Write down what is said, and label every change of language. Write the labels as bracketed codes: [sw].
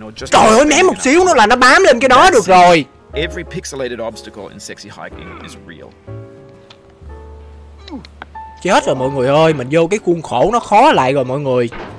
[vi] Trời ơi, ném một xíu nữa là nó bám lên cái đó được rồi. [en] Every pixelated obstacle in sexy hiking is real. [vi] Chết rồi mọi người ơi, mình vô cái khuôn khổ nó khó lại rồi mọi người.